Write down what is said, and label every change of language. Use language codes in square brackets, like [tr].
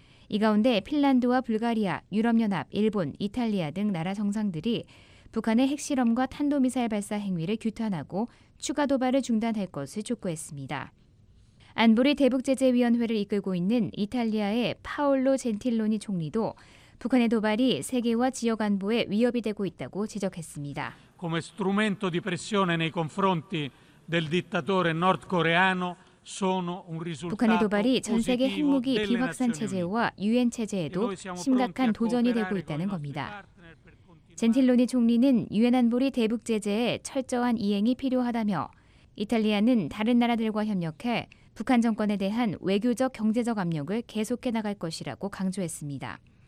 [ko] 이 가운데 핀란드와 불가리아, 유럽연합, 일본, 이탈리아 등 나라 정상들이 북한의 핵실험과 탄도미사일 발사 행위를 규탄하고 추가 도발을 중단할 것을 촉구했습니다. 안보리 대북제재위원회를 이끌고 있는 이탈리아의 파올로 젠틸로니 총리도 북한의 도발이 세계와 지역 안보에 위협이 되고 있다고 지적했습니다. [it] Come strumento di pressione nei confronti del dittatore nordcoreano sono un risultato. [ko] 북한의 도발이 전 세계 핵무기 비확산 체제와 유엔 체제에도 심각한 도전이 되고 있다는 겁니다. 젠틸로니 총리는 유엔 안보리 대북 제재에 철저한 이행이 필요하다며 이탈리아는 다른 나라들과 협력해 북한 정권에 대한 외교적 경제적 압력을 계속해 나갈 것이라고 강조했습니다.